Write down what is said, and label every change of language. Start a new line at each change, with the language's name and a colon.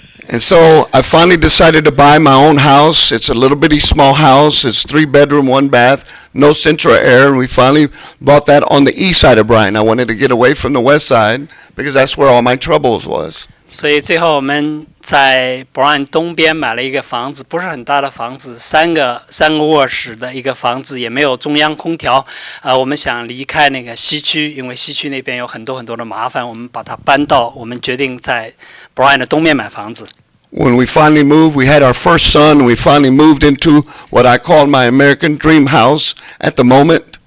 English: And so I finally decided to buy my own house. It's a little bitty small house. It's 3-bedroom, 1-bath, no central air. And we finally bought that on the east side of Bryan. I wanted to get away from the west side because that's where all my troubles was.
Chinese: 所以最后我们在Bryan东边买了一个房子，不是很大的房子，三个卧室的一个房子，也没有中央空调。我们想离开那个西区，因为西区那边有很多很多的麻烦，我们把它搬到，我们决定在Bryan的东边买房子。
English: When we finally moved, we had our first son. We finally moved into what I call my American dream house at the moment.